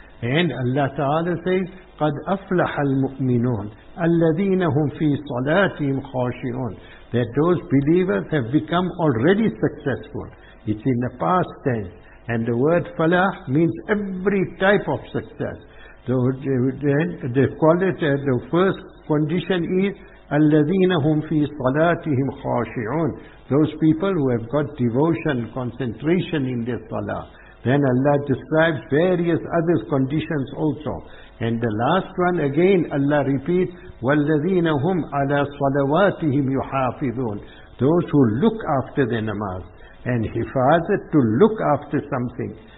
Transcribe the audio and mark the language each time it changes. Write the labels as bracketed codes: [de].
[en] And Allah Ta'ala says, [ar] قَدْ أَفْلَحَ الْمُؤْمِنُونَ أَلَّذِينَ هُمْ فِي صَلَاتِهِمْ خَاشِعُونَ. [en] That those believers have become already successful. It's in the past tense. And the word falah means every type of success. The first condition is [ar] أَلَّذِينَ هُمْ فِي صَلَاتِهِمْ خَاشِعُونَ. [en] Those people who have got devotion, concentration in their salah. Then Allah describes various other conditions also. And the last one again, Allah repeats, [ar] وَالَّذِينَ هُمْ عَلَىٰ صَلَوَاتِهِمْ يُحَافِظُونَ. [en] Those who look after their namaz. And hifazat, to look after something.